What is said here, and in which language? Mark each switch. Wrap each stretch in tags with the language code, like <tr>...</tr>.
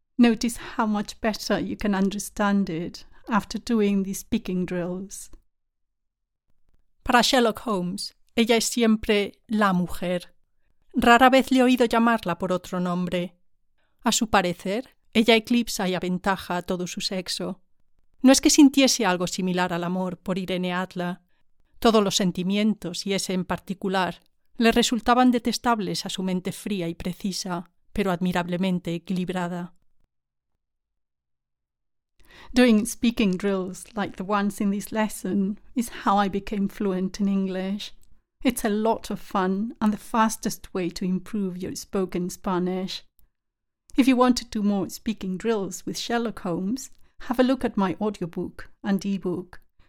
<en>Notice how much better you can understand it after doing the speaking drills.</en> <es>Para Sherlock Holmes, ella es siempre la mujer. Rara vez le he oído llamarla por otro nombre. A su parecer, ella eclipsa y aventaja a todo su sexo. No es que sintiese algo similar al amor por Irene Adler. Todos los sentimientos, y ese en particular, le resultaban detestables a su mente fría y precisa, pero admirablemente equilibrada.</es> <en>Doing speaking drills like the ones in this lesson is how I became fluent in English. It's a lot of fun and the fastest way to improve your spoken Spanish. If you want to do more speaking drills with Sherlock Holmes, have a look at my audiobook and ebook.</en>